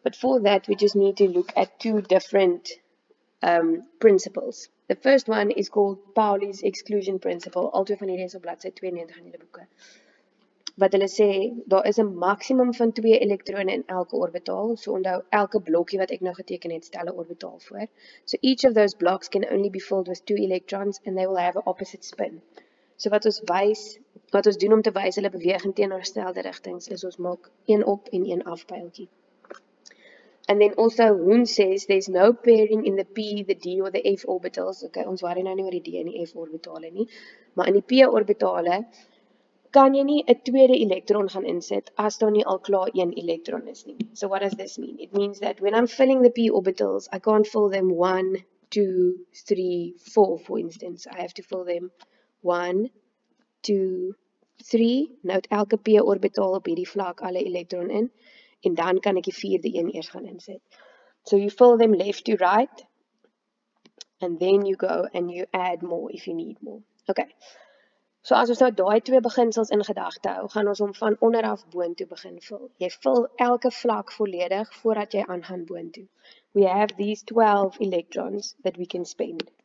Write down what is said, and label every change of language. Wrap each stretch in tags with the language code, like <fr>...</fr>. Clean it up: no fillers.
<en>But for that we just need to look at two different principles. The first one is called Pauli's exclusion principle.</en> <af>Al twee van hierdie is op bladsy 92 in julle boeke. Wat hulle sê, daar is 'n maksimum van 2 elektrone in elke orbitaal. So onthou, elke blokkie wat ek nou geteken het, stel 'n orbitaal voor.</af> <en>So each of those blocks can only be filled with 2 electrons and they will have an opposite spin.</en> <af>So wat ons wys, wat ons doen om te wys hulle beweeg in teenoorgestelde rigtings, is ons maak een op en een af pyltjie.</af> <en>And then also Hund says there's no pairing in the P, the D or the F orbitals.</en> <af>Okay, ons worry nou nie oor die D en die F orbitale nie, maar in die P orbitale kan jy nie 'n tweede elektron gaan insit as daar nie al klaar een elektron is nie.</af> <en>So what does this mean? It means that when I'm filling the P orbitals, I can't fill them 1, 2, 3, 4 for instance. I have to fill them 1, 2, 3.</en> <af>Nou het elke P orbitaal op hierdie vlak alle elektron in. En dan kan ek die vierde een eers gaan insit.</af> <en>So you fill them left to right. And then you go and you add more if you need more. Okay.</en> <af>So as ons nou daai twee beginsels in gedagte hou, gaan ons hom van onder af boontoe begin vul. Jy vul elke vlak volledig voordat jy aangaan boontoe.</af> <en>We have these 12 electrons that we can spend.</en>